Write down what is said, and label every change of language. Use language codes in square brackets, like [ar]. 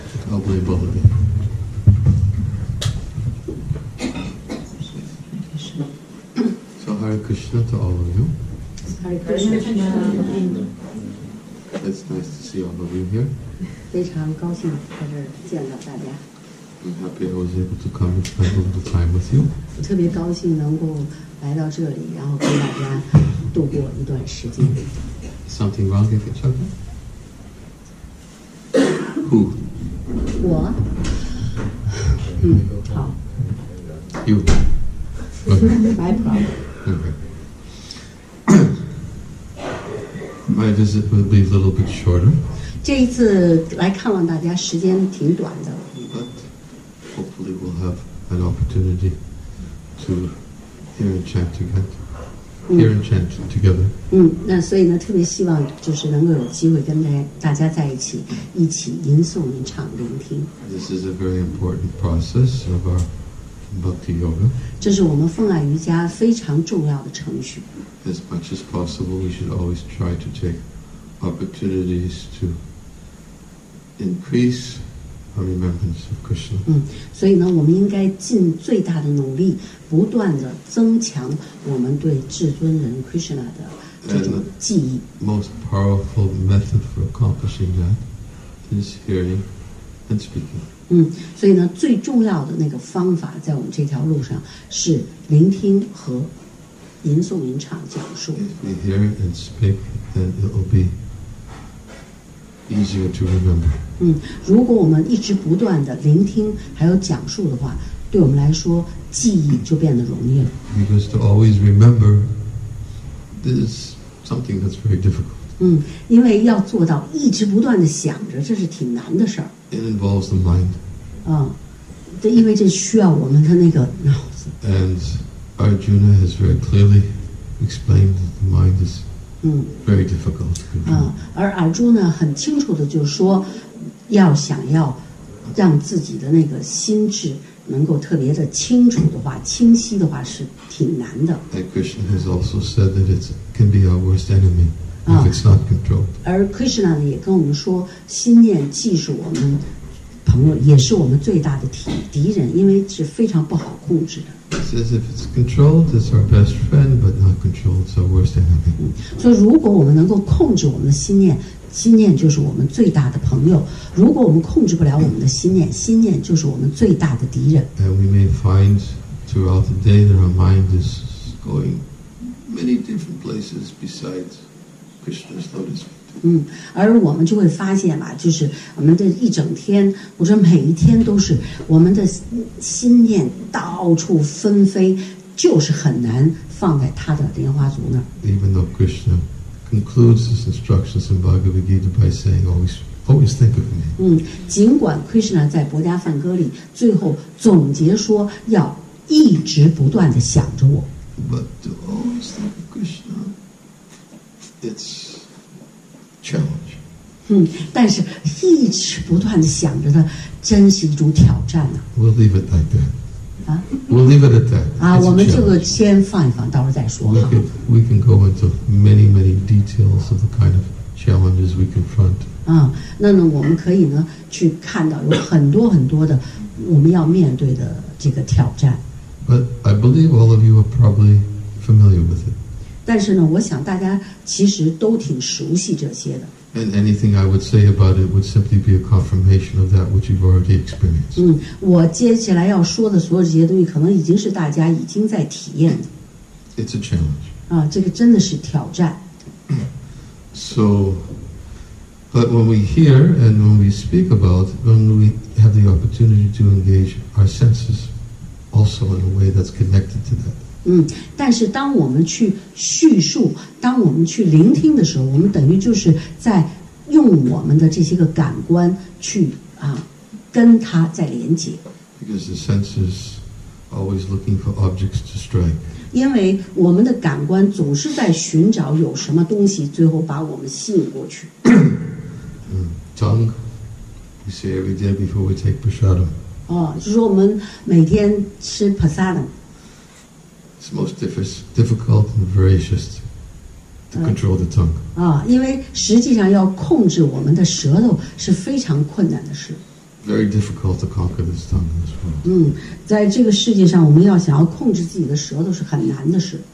[en] I'll play bubble game. 그리스나. So Hare Krishna to all of you. Hare Krishna. It's nice to see all of you here. [zh] 非常高兴在这见到大家。 [en] I'm happy I was able to come and spend a little time with you. [zh] 我特别高兴能够来到这里，然后跟大家度过一段时间。 [en] Something wrong with each other? Who? [zh] 我。好。 [en] You. My problem. Okay. My visit will be a little bit shorter. [zh] 这一次来看望大家时间挺短的。 [en] Hopefully we'll have an opportunity to hear and chant together. Hear and chant together. [zh] 那所以呢，特别希望就是能够有机会跟大家在一起，一起吟诵、吟唱、聆听。 [en] This is a very important process of our bhakti yoga. [zh] 这是我们奉爱瑜伽非常重要的程序。 [en] As much as possible, we should always try to take opportunities to increase. Our remembrance of Krishna. [zh] 所以呢，我们应该尽最大的努力，不断的增强我们对至尊人 Krishna 的这种记忆。 [en] The most powerful method for accomplishing that is hearing and speaking. [zh] 所以呢，最重要的那个方法在我们这条路上是聆听和吟诵、吟唱、讲述。 [en] If we hear and speak, then it will be easier to remember. [zh] 如果我们一直不断的聆听还有讲述的话，对我们来说记忆就变得容易了。 [en] Because to always remember is something that's very difficult. [zh] 因为要做到一直不断的想着，这是挺难的事儿。 [en] It involves the mind. [zh] 因为这需要我们的那个脑子。 [en] And Arjuna has very clearly explained that the mind is very difficult. [zh] 而阿朱呢很清楚的就说。要想要让自己的那个心智能够特别的清楚的话，清晰的话是挺难的。 [en] And Krishna has also said that it can be our worst enemy if it's not controlled. [zh] 而 Krishna 呢也跟我们说，心念既是我们朋友，也是我们最大的敌人，因为是非常不好控制的。 [en] He says if it's controlled, it's our best friend, but not controlled, it's our worst enemy. [zh] 所以如果我们能够控制我们的心念。心念就是我们最大的朋友。如果我们控制不了我们的心念，心念就是我们最大的敌人。 [en] And we may find throughout the day that our mind is going many different places besides Krishna's lotus feet. [zh] 而我们就会发现吧，就是我们的一整天，我说每一天都是我们的心念到处纷飞，就是很难放在他的莲花足那儿。 [en] Even though Krishna. Concludes his instructions in Bhagavad Gita by saying, always think of me. [zh] 尽管 Krishna 在薄伽梵歌里最后总结说要一直不断地想着我。 [en] But to always think of Krishna, it's a challenge. [zh] 但是一直不断地想着他真是一种挑战啊。 [en] We'll leave it like that. We'll leave it at that. [zh] 我们这个先放一放，到时候再说。 [en] We can go into many, many details of the kind of challenges we confront. [zh] 那呢，我们可以呢去看到有很多很多的我们要面对的这个挑战。 [en] But I believe all of you are probably familiar with it. [zh] 但是呢，我想大家其实都挺熟悉这些的。 [en] And anything I would say about it would simply be a confirmation of that which you've already experienced. [zh] 我接下来要说的所有这些东西，可能已经是大家已经在体验的。 [en] It's a challenge. [zh] 这个真的是挑战。 [en] So, but when we hear and when we speak about, when we have the opportunity to engage our senses, also in a way that's connected to that. [zh] 但是当我们去叙述，当我们去聆听的时候，我们等于就是在用我们的这些个感官去跟它在连接。 [en] Because the senses always looking for objects to strike. [zh] 因为我们的感官总是在寻找有什么东西，最后把我们吸引过去。 [en] Tongue We say every day before we take prasadam. [zh] 哦，就是我们每天吃 prasadam。 [en] It's most difficult and voracious to control the tongue. [zh] 啊，因为实际上要控制我们的舌头是非常困难的事。 [en] Very difficult to conquer this tongue in this world. [zh] 嗯，在这个世界上，我们要想要控制自己的舌头是很难的事。